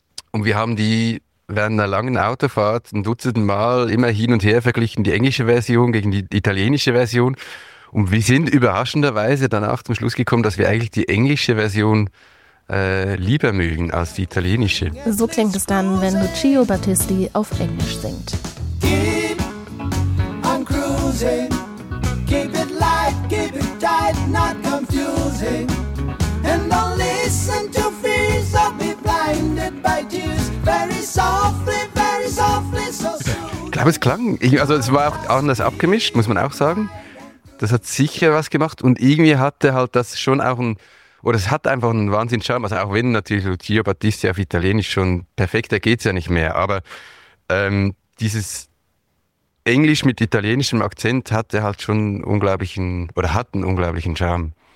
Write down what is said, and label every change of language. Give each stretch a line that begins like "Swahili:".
German: Und wir haben die während einer langen Autofahrt ein Dutzend Mal immer hin und her verglichen, die englische Version gegen die italienische Version. Und wir sind überraschenderweise danach zum Schluss gekommen, dass wir eigentlich die englische Version lieber mögen als die italienische. So klingt es dann, wenn Lucio Battisti auf Englisch singt.
English: Keep on cruising, keep it light, keep it tight, not confusing. And don't listen to fears, I'll be blinded by tears, very softly, very softly, so soon.
German: Ich glaube, es klang, also es war auch anders abgemischt, muss man auch sagen. Das hat sicher was gemacht und irgendwie hatte halt das schon auch ein, oder es hat einfach einen Wahnsinns-Charme, also auch wenn natürlich Lucio Battisti auf Italienisch schon perfekt, da geht es ja nicht mehr, aber dieses Englisch mit italienischem Akzent hatte halt schon unglaublichen, oder hat einen unglaublichen Charme.